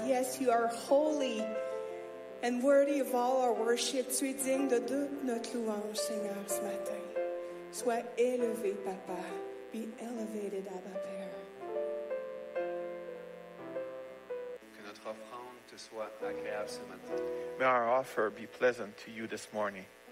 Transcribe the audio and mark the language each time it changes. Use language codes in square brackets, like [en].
[en] Yes, you are holy and worthy of all our worship. [fr] Tu es digne de toute notre louange, Seigneur, ce matin. Sois élevé, Papa. [en] Be elevated, [fr] Abba, Père. Que notre offrande te soit agréable ce matin. [en] May our offer be pleasant to you this morning.